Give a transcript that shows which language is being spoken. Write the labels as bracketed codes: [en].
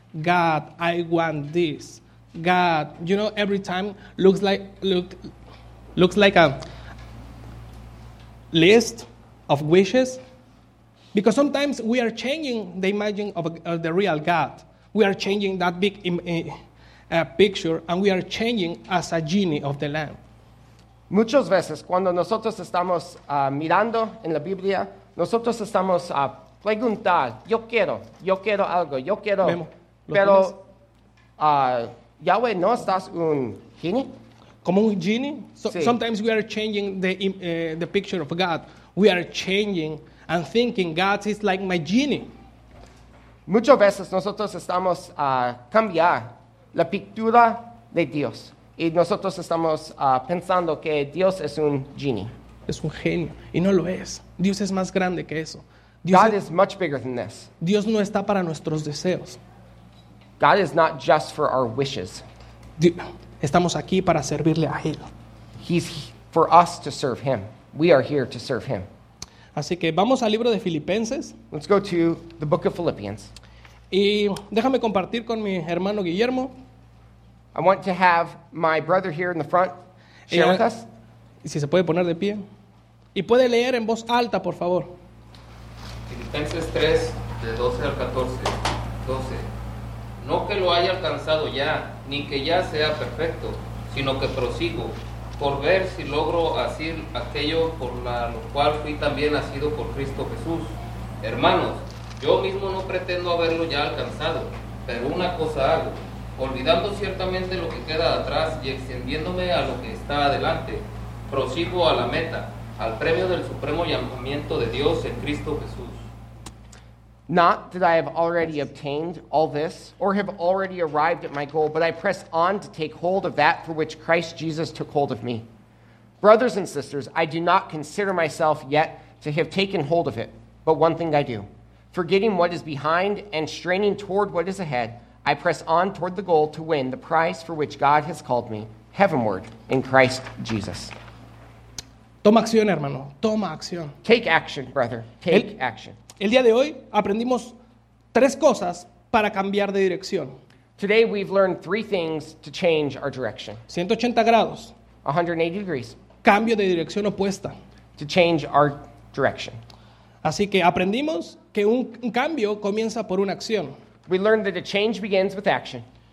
[en] God, I want this. God, you know, every time looks like a list of wishes. Because sometimes we are changing the image of the real God. We are changing that big picture, and we are changing as a genie of the lamp. [es] Muchas veces, cuando nosotros estamos mirando en la Biblia, nosotros estamos a preguntar, yo quiero algo, yo quiero. Memo, pero Yahweh, ¿no estás un genie? Como un genie. Sí. [en] Sometimes we are changing the picture of God. We are changing and thinking God is like my genie. [es] Muchas veces nosotros estamos a cambiar la pintura de Dios. Y nosotros estamos pensando que Dios es un genie. Es un genio. Y no lo es. Dios es más grande que eso. [en] God is much bigger than this. [es] Dios no está para nuestros deseos. [en] God is not just for our wishes. [es] Estamos aquí para servirle a Él. [en] He's for us to serve Him. We are here to serve Him. [es] Así que vamos al libro de Filipenses. [en] Let's go to the book of Philippians. [es] Y déjame compartir con mi hermano Guillermo. [en] I want to have my brother here in the front share with us. [es] Si se puede poner de pie. Y puede leer en voz alta, por favor. Filipenses 3, de 12 al 14. 12. No que lo haya alcanzado ya, ni que ya sea perfecto, sino que prosigo, por ver si logro hacer aquello por lo cual fui también nacido por Cristo Jesús. Hermanos, yo mismo no pretendo haberlo ya alcanzado, pero una cosa hago. Olvidando ciertamente lo que queda atrás y extendiéndome a lo que está adelante, prosigo a la meta, al premio del supremo llamamiento de Dios en Cristo Jesús. [en] Not that I have already obtained all this, or have already arrived at my goal, but I press on to take hold of that for which Christ Jesus took hold of me. Brothers and sisters, I do not consider myself yet to have taken hold of it, but one thing I do, forgetting what is behind and straining toward what is ahead, I press on toward the goal to win the prize for which God has called me heavenward in Christ Jesus. [es] Toma acción, hermano. Toma acción. [en] Take action, brother. Take action. [es] El día de hoy aprendimos tres cosas para cambiar de dirección. [en] Today we've learned three things to change our direction. [es] 180 grados. [en] 180 degrees. [es] Cambio de dirección opuesta. [en] To change our direction. [es] Así que aprendimos que un cambio comienza por una acción. [en] We learned that a change begins with action.